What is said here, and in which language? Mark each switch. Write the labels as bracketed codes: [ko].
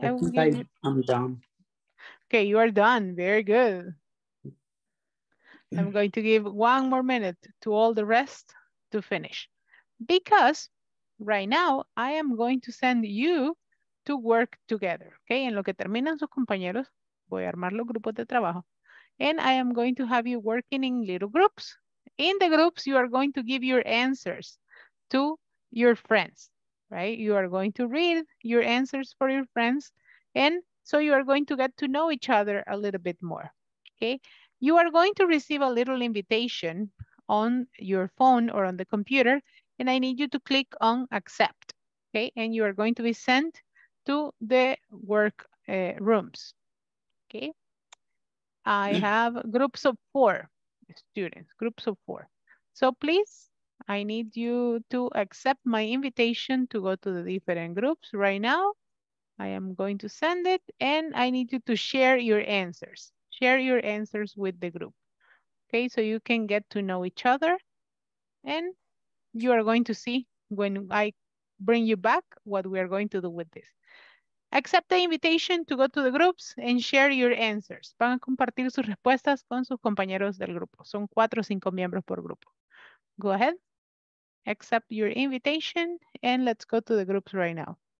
[en] I'm done. Okay, you are done. Very good. I'm going to give one more minute to all the rest to finish. Because right now, I am going to send you to work together, okay? [es] En lo que terminan sus compañeros, voy a armar los grupos de trabajo. [en] And I am going to have you working in little groups. In the groups, you are going to give your answers to your friends, right? You are going to read your answers for your friends. And so you are going to get to know each other a little bit more, okay? You are going to receive a little invitation on your phone or on the computer. And I need you to click on accept, okay? And you are going to be sent to the work rooms, okay? I have groups of four students, groups of four. So please, I need you to accept my invitation to go to the different groups right now. I am going to send it, and I need you to share your answers. Share your answers with the group, okay? So you can get to know each other, and you are going to see when I bring you back what we are going to do with this. Accept the invitation to go to the groups and share your answers. [es] Van a compartir sus respuestas con sus compañeros del grupo. Son 4 o 5 miembros por grupo. [en] Go ahead. Accept your invitation and let's go to the groups right now.